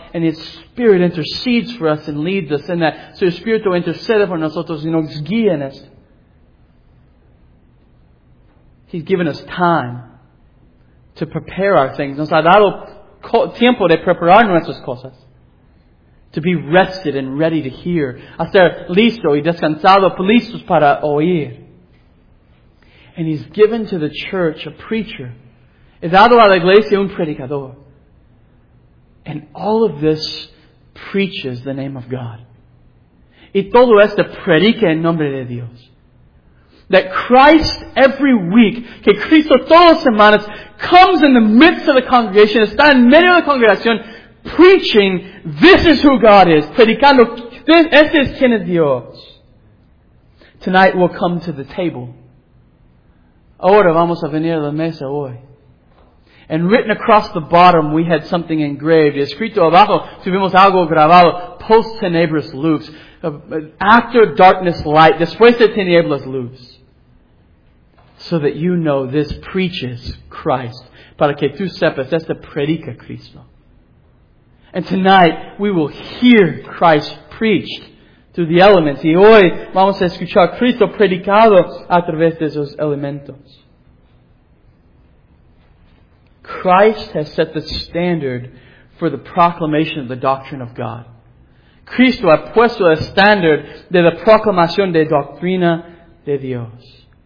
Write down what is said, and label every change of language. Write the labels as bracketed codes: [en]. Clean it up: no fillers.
[en] And His Spirit intercedes for us and leads us in that. [es] Su Espíritu intercede por nosotros y nos guía en esto. [en] He's given us time to prepare our things. [es] Nos ha dado tiempo de preparar nuestras cosas. [en] To be rested and ready to hear. [es] A ser listo y descansado, listos para oír. [en] And He's given to the church a preacher. [es] He dado a la iglesia un predicador. [en] And all of this preaches the name of God. [es] Y todo esto predica en nombre de Dios. [en] that Christ every week, [es] que Cristo todas las semanas, [en] comes in the midst of the congregation, [es] está en medio de la congregación, [en] preaching, this is who God is, [es] predicando, este es quien es Dios. [en] Tonight we'll come to the table. [es] Ahora vamos a venir a la mesa hoy. [en] And written across the bottom, we had something engraved. [es] Escrito abajo, tuvimos algo grabado. Post tenebris luz. [en] After darkness light. [es] Después de tinieblas luz. [en] So that you know this preaches Christ. [es] Para que tú sepas, esta predica Cristo. [en] And tonight, we will hear Christ preached through the elements. [es] Y hoy, vamos a escuchar Cristo predicado a través de esos elementos. [en] Christ has set the standard for the proclamation of the doctrine of God. [es] Cristo ha puesto el standard de la proclamación de doctrina de Dios.